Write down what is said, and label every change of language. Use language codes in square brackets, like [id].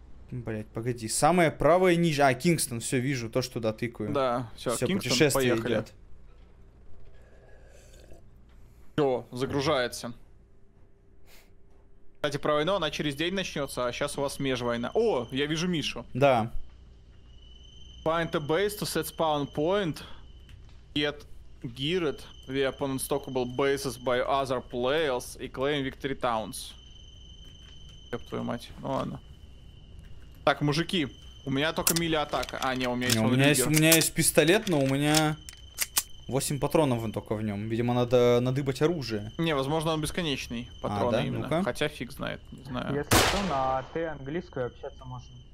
[ru] Блять, погоди. Самая правая нижняя. А, Кингстон, все, вижу, то, что туда тыкаю. Да, все, все, Кингстон, путешествие поехали. Идет. Все, загружается. Кстати, про войну, она через день начнется, а сейчас у вас межвойна. О, я вижу Мишу. Да. [en] Find a base to set spawn point. Get geared via opponent's stockable bases by other players и claim victory towns. [ru] Еб твою мать, ну ладно. Так, мужики, у меня только мили атака. А, не, у меня есть У меня есть пистолет, но у меня 8 патронов только в нем. Видимо, надо надыбать оружие. Не, возможно, он бесконечный патрон, а, да? Именно. Ну-ка. Хотя фиг знает, не знаю. Если что, на Т английское общаться можно.